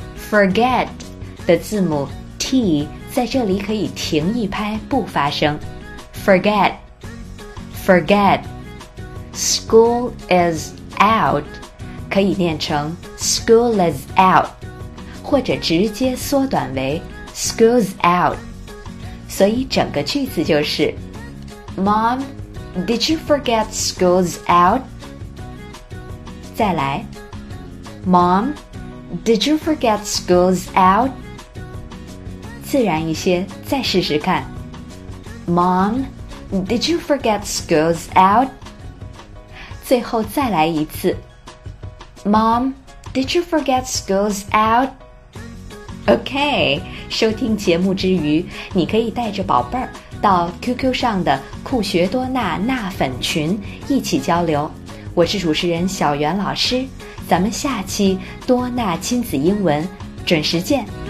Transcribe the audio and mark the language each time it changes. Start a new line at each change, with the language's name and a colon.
Chinese: Forget的字母 T 在这里可以停一拍不发声， Forget Forget
English: School is out
Chinese: 可以念成 School is out， 或者直接缩短为
English: School's out。
Chinese: 所以整个句子就是
English: Mom, did you forget school's out?
Chinese: 再来，
English: Mom, did you forget school's out?
Chinese: 自然一些，再试试看。
English: Mom, did you forget school's out?
Chinese: 最后再来一次。
English: Mom, did you forget school's out?
Chinese: OK, 收听节目之余，你可以带着宝贝儿到 QQ 上的酷学多娜娜粉群一起交流。我是主持人小袁老师，咱们下期多娜亲子英文准时见。